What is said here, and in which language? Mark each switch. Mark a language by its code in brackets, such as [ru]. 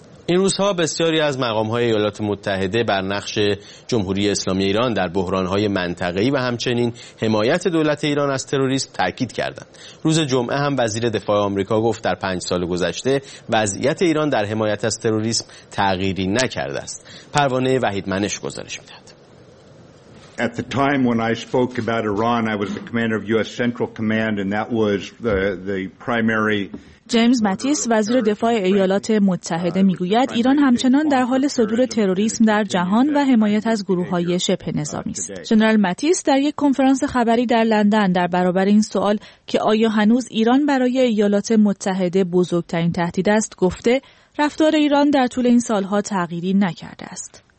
[fa] این روزها بسیاری از مقام‌های ایالات متحده بر نقش جمهوری اسلامی ایران در بحران‌های منطقه‌ای و همچنین حمایت دولت ایران از تروریسم تأکید کردند. روز جمعه هم وزیر دفاع آمریکا گفت در 5 سال گذشته وضعیت ایران در حمایت از تروریسم تغییری نکرده است. پروانه وحید منش گزارش می‌دهد. [en] At the time when I spoke about Iran, I was the commander of U.S. Central Command, and that was the primary. [fa] جیمز ماتیس وزیر دفاع ایالات متحده میگوید ایران همچنان در حال صدور تروریسم در جهان و حمایت از گروه‌های شبه نظامی است. جنرال ماتیس در یک کنفرانس خبری در لندن در برابر این سوال که آیا هنوز ایران برای ایالات متحده بزرگترین تهدید است، گفته رفتار ایران در طول این سال‌ها تغییری نکرده است.